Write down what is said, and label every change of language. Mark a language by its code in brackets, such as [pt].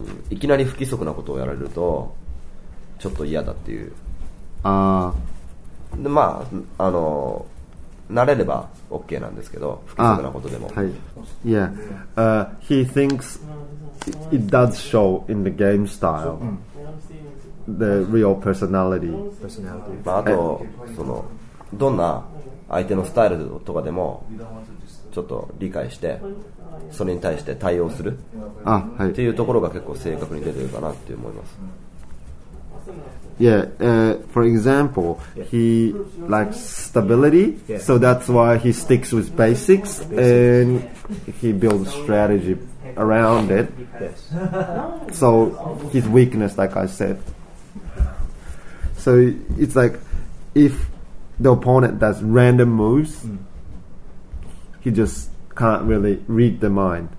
[ja] いきなり不規則なことをやられるとちょっと嫌だっていう、あで、まあ、あの慣れれば OK なんですけど、不規則なことでも、はい、yeah. [en] He thinks it does show in the game style the real personality、 [ja] まあ、あとそのどんな相手のスタイルとかでもちょっと理解してそれに対して対応する、あ、はい、っていうところが結構正確に出てるかなって思います。 [en] Yeah, for example, he likes stability, so that's why he sticks with basics and he builds strategy around it. So his weakness, like I said. So it's like if the opponent does random moves, he justcan't really read the mind.